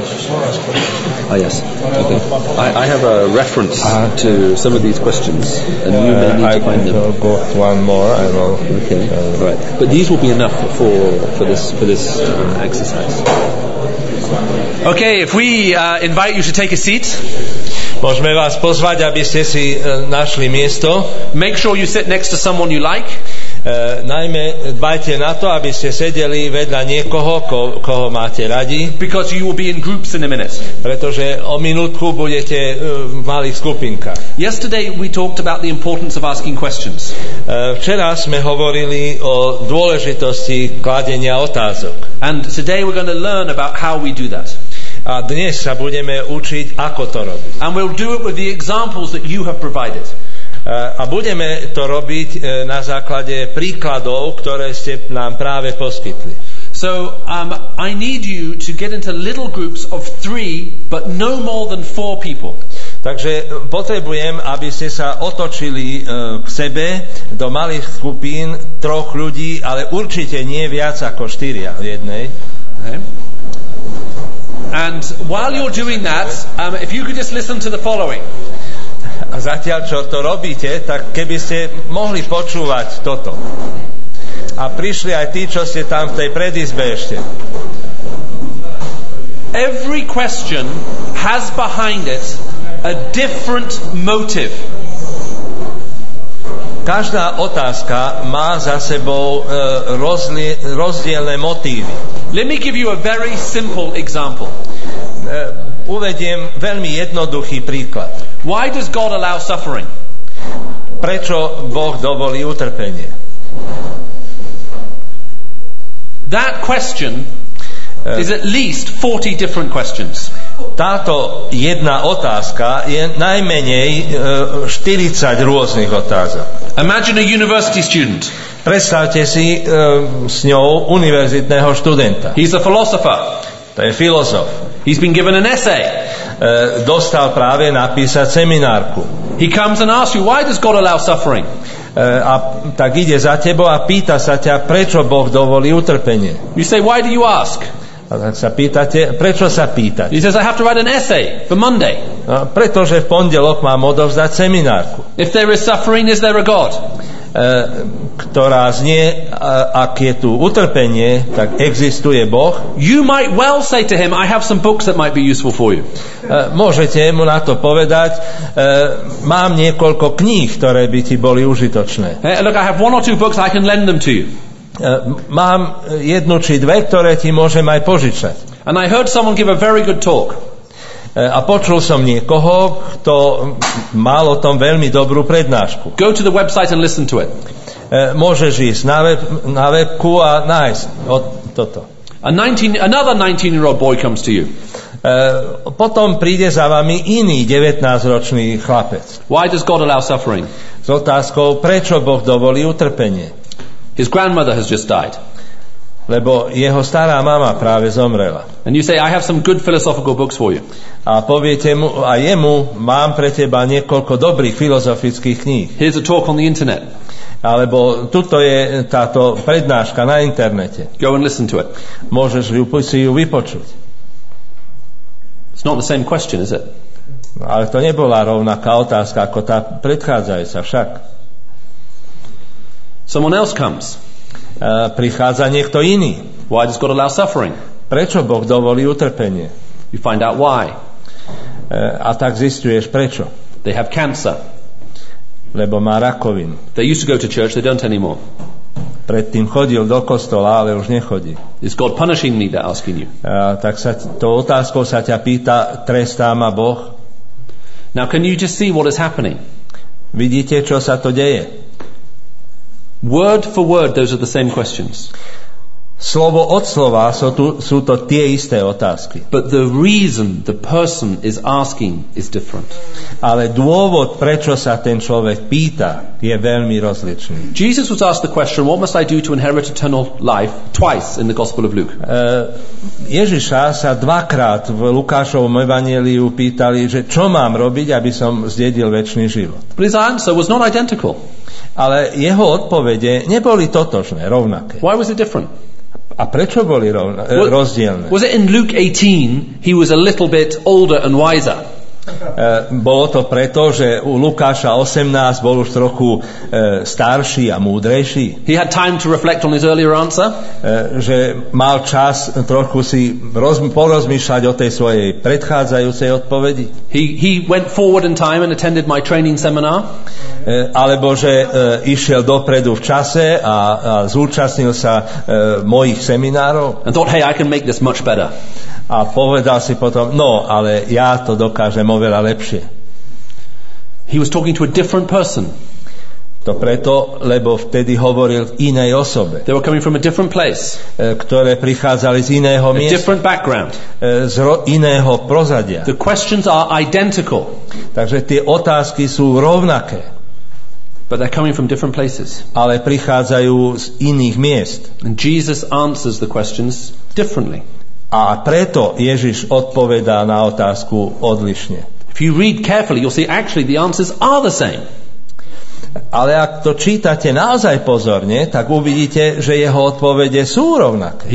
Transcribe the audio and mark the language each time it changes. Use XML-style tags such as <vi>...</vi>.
<en>Okay. I have a reference to some of these questions, and you may need to find them. I'll go one more. I will. Okay. Right. But these will be enough for this exercise. Okay, if we invite you to take a seat.</en> <sk>Môžeme vás pozvať, aby ste si našli miesto.</sk> <en>Make sure you sit next to someone you like.</en> <sk>Najmä dbajte na to, aby ste sedeli vedľa niekoho, koho máte radi.</sk> <en>Because you will be in groups in a minute.</en> <sk>Pretože o minútku budete v malých skupinkách.</sk> <en>Yesterday we talked about the importance of asking questions.</en> <sk>Včera sme hovorili o dôležitosti kladenia otázok.</sk> <en>And today we're going to learn about how we do that.</en> <sk>A dnes sa budeme učiť, ako to robiť.</sk> <en>And we'll do it with the examples that you have provided.</en> <sk>A budeme to robiť na základe príkladov, ktoré ste nám práve poskytli.</sk> <en>So, I need you to get into little groups of three, but no more than four people.</en> <sk>Takže potrebujem, aby ste sa otočili k sebe do malých skupín troch ľudí, ale určite nie viac ako štyria v jednej.</sk> <en>Okay. And while you're doing that, if you could just listen to the following.</en> <sk>A zatiaľ, čo to robíte, tak keby ste mohli počúvať toto. A prišli aj tí, čo ste tam v tej predizbe ešte.</sk> <en>Every question has behind it a different motive.</en> <sk>Každá otázka má za sebou rozdielne motívy.</sk> <en>Let me give you a very simple example.</en> <sk>Uvediem veľmi jednoduchý príklad.</sk> <en>Why does God allow suffering?</en> <sk>Prečo Boh dovolí utrpenie?</sk> <en>That question is at least 40 different questions.</en> <sk>Táto jedna otázka je najmenej 40 rôznych otázok.</sk> <en>Imagine a university student.</en> <sk>Predstavte si s ňou univerzitného študenta.</sk> <en>He's a philosopher.</en> <sk>To je filozof.</sk> <en>He's been given an essay.</en> <sk>Dostal práve napísať seminárku.</sk> <en>He comes and asks you, why does God allow suffering?</en> <sk>A tak ide za tebou a pýta sa ťa, prečo Boh dovolí utrpenie.</sk> <en>You say, why do you ask?</en> <sk>A tak sa pýtate, prečo sa pýtať?</sk> <en>He says, I have to write an essay for Monday.</en> <sk>No, pretože v pondelok mám odovzdať seminárku.</sk> <en>If there is suffering, is there a God?</en> <sk>Ktorá znie, ak je tu utrpenie, tak existuje Boh.</sk> <en>You might well say to him, I have some books that might be useful for you.</en> <sk>Môžete mu na to povedať, mám niekoľko kníh, ktoré by ti boli užitočné.</sk> <en>Look, I have one or two books, I can lend them to you.</en> <sk>Mám jednu či dve, ktoré ti môžem aj požičať.</sk> <en>And I heard someone give a very good talk.</en> <sk>A počul som niekoho, kto mal o tom veľmi dobrú prednášku.</sk> <en>Go to the website and listen to it.</en> <sk>Môžeš ísť na webku a nájsť toto.</sk> <en>Another 19-year-old boy comes to you.</en> <sk>Potom príde za vami iný 19-ročný chlapec.</sk> <en>Why does God allow suffering?</en> <sk>S otázkou, prečo Boh dovolí utrpenie?</sk> <en>His grandmother has just died.</en> <sk>Lebo jeho stará mama práve zomrela.</sk> <en>And you say, I have some good philosophical books for you.</en> <sk>A poviete mu, a jemu, mám pre teba niekoľko dobrých filozofických kníh.</sk> <en>Here's a talk on the internet.</en> <sk>Alebo tuto je táto prednáška na internete.</sk> <en>Go and listen to it.</en> <sk>Môžeš si ju vypočuť.</sk> <en>It's not the same question, is it?</en> <sk>Ale to nebola rovnaká otázka ako tá predchádzajúca však.</sk> <en>Someone else comes.</en> <sk>Prichádza niekto iný.</sk> <en>Why does God allow suffering?</en> <sk>Prečo Boh dovolí utrpenie?</sk> <en>You find out why.</en> <sk>A tak zistuješ prečo.</sk> <en>They have cancer.</en> <sk>Lebo má rakovinu.</sk> <en>They used to go to church, they don't anymore.</en> <sk>Predtým chodil do kostola, ale už nechodí.</sk> <en>Is God punishing me, they're asking you.</en> <sk>Tak sa to otázkou sa ťa pýta, trestá ma Boh?</sk> <en>Now can you just see what is happening?</en> <sk>Vidíte, čo sa to deje?</sk> <en>Word for word, those are the same questions.</en> <sk>Slovo od slova sú to tie isté otázky.</sk> <en>But the reason the person is asking is different.</en> <sk>Ale dôvod, prečo sa ten človek pýta, je veľmi rozličný.</sk> <en>Jesus was asked the question, what must I do to inherit eternal life, twice in the Gospel of Luke.</en> <sk>Ježiša sa dvakrát v Lukášovom evanjeliu pýtali, že čo mám robiť, aby som zdedil večný život.</sk> <en>But his answer was not identical.</en> <sk>Ale jeho odpovede neboli totožné, rovnaké.</sk> <en>Why was it different?</en> <sk>A prečo boli rozdielne?</sk> <en>Was it in Luke 18 he was a little bit older and wiser?</en> <sk>Bolo to preto, že u Lukáša 18 bol už trochu starší a múdrejší.</sk> <en>He had time to reflect on his earlier answer.</en> <sk>Že mal čas trochu si porozmýšľať o tej svojej predchádzajúcej odpovedi.</sk> <en>He went forward in time and attended my training seminar.</en> <sk>Alebo že išiel dopredu v čase a zúčastnil sa mojich seminárov.</sk> <en>And thought, hey, I can make this much better.</en> <sk>A povedal si potom, no, ale ja to dokážem oveľa lepšie.</sk> <en>He was talking to a different person.</en> <sk>To preto, lebo vtedy hovoril inej osobe.</sk> <en>They were coming from a different place.</en> <sk>Ktoré prichádzali z iného miesta.</sk> <en>A different background.</en> <sk>Z iného prozadia.</sk> <en>The questions are identical.</en> <sk>Takže tie otázky sú rovnaké.</sk> <en>But they're coming from different places.</en> <sk>Ale prichádzajú z iných miest.</sk> <en>And Jesus answers the questions differently.</en> <sk>A preto Ježiš odpovedá na otázku odlišne.</sk> <en>If you read carefully, you'll see actually the answers are the same.</en> <sk>Ale ak to čítate naozaj pozorne, tak uvidíte, že jeho odpovede sú rovnaké.</sk>